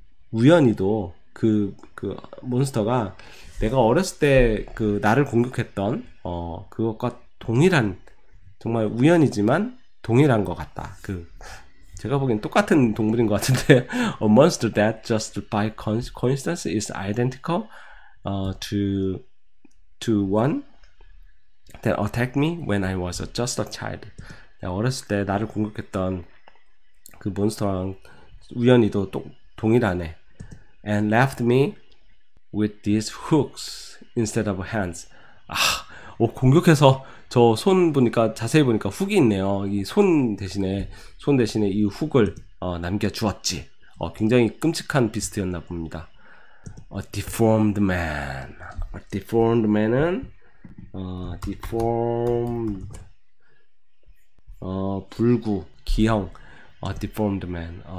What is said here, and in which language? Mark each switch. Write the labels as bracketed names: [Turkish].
[Korean] 우연히도 그 몬스터가 내가 어렸을 때그 나를 공격했던 그것과 동일한, 정말 우연이지만 동일한 것 같다. 그 제가 보기엔 똑같은 동물인 것 같은데, [English] a monster that just by coincidence is identical to one that attacked me when I was just a child. [Korean] 내가 어렸을 때 나를 공격했던 그 몬스터랑 우연히도 동일하네. [English] And left me with these hooks instead of hands. [Korean] 아, 공격해서 저손 보니까, 자세히 보니까 훅이 있네요. 이손 대신에 이 훅을 남겨주었지. 굉장히 끔찍한 비스트였나 봅니다. [English] A deformed man. A deformed man은, deformed, [Korean] 불구, 기형. [English] A deformed man.